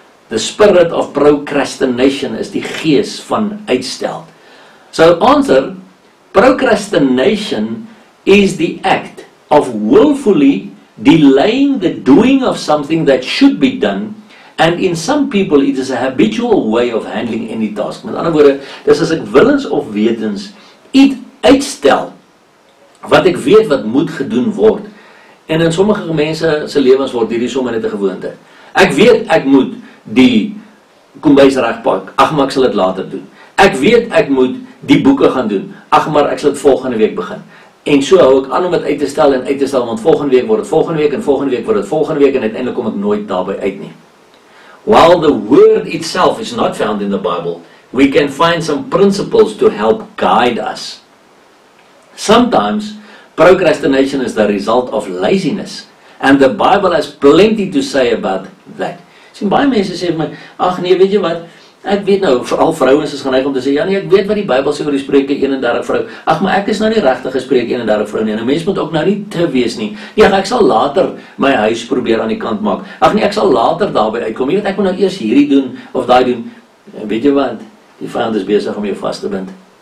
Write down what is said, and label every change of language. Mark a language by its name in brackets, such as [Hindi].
[English] The spirit of procrastination is [Afrikaans] die gees van uitstel. [English] So answer, procrastination is the act of willfully delaying the doing of something that should be done, and in some people it is a habitual way of handling any task. [Afrikaans] Met ander woorde, dis as ek willens of wetens iets uitstel wat ek weet wat moet gedoen word. En in sommige mense se lewens word hierdie sommer net 'n gewoonte. Ek weet ek moet die kombuis regpak. Ag, maar ek sal dit later doen. Ek weet ek moet die boeke gaan doen. Ag, maar ek sal dit volgende week begin. En so hou ek aan om dit uit te stel, want volgende week word het volgende week, en volgende week word het volgende week, en uiteindelik kom ek nooit daarby uit nie. [English] While the word itself is not found in the Bible, we can find some principles to help guide us. Sometimes, procrastination is the result of laziness, and the Bible has plenty to say about that. [Afrikaans] Sien, baie mense sê, my, ach nee, weet jy wat, ek weet nou, vooral vrouwens is geneig om te sê, ja nie, ek weet wat die Bybel sê oor die spreuke 31 vrou, ach, maar ek is nou nie regtig gespreek 31 vrou nie, en een mens moet ook nou nie te wees nie, nie, ek sal later my huis probeer aan die kant maak, ach nie, ek sal later daarby uitkom, jy weet, ek moet nou eers hierdie doen, of daai doen, en weet jy wat, die vijand is bezig om jou vast te bind.